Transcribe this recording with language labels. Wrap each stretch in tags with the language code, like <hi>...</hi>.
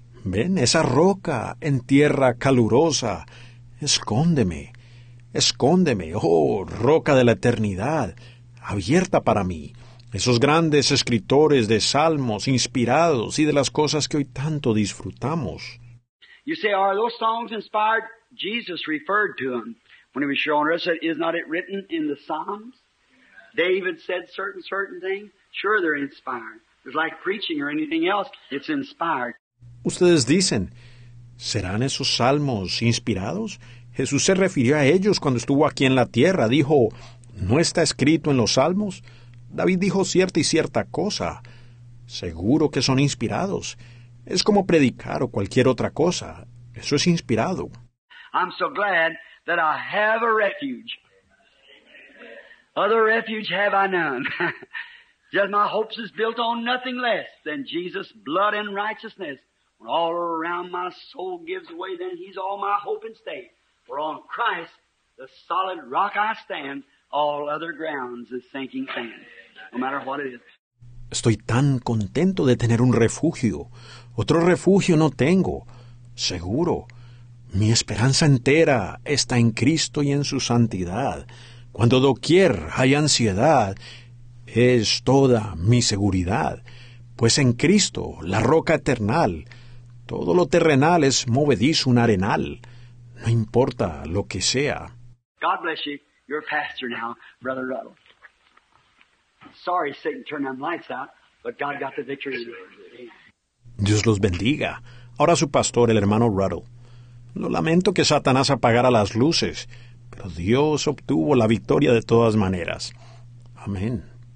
<es>Ven, esa roca en tierra calurosa. Escóndeme. Escóndeme, oh, roca de la eternidad, abierta para mí. Esos grandes escritores de salmos inspirados y de las cosas que hoy tanto disfrutamos.</es> <en>You say, are those songs inspired? Jesus referred to them when he was showing us. Is not it written in the Psalms? David said certain things. Sure, they're inspired. It's like preaching or anything else. It's inspired.</en> <es>Ustedes dicen, ¿serán esos salmos inspirados? Jesús se refirió a ellos cuando estuvo aquí en la tierra. Dijo, ¿no está escrito en los salmos? David dijo cierta y cierta cosa. Seguro que son inspirados. Es como predicar o cualquier otra cosa. Eso es inspirado.</es> <en>I'm so glad that I have a refuge. Other refuge have I none. Just my hopes is built on nothing less than Jesus' blood and righteousness. When all around my soul gives way, then he's all my hope and stay. For on Christ, the solid rock I stand, all other grounds is sinking sand. No matter what it is.</en> <es>Estoy tan contento de tener un refugio. Otro refugio no tengo. Seguro. Mi esperanza entera está en Cristo y en su santidad. Cuando doquier hay ansiedad, es toda mi seguridad. Pues en Cristo, la roca eterna, todo lo terrenal es movedizo, un arenal. No importa lo que sea.</es> <en>God bless you. You're a pastor now, Brother Ruddle. Sorry, Satan turned on lights out, but God got the victory.</en> <es>Dios los bendiga. Ahora su pastor, el hermano Ruddle. Lo lamento que Satanás apagara las luces, pero Dios obtuvo la victoria de todas maneras. Amén.</es>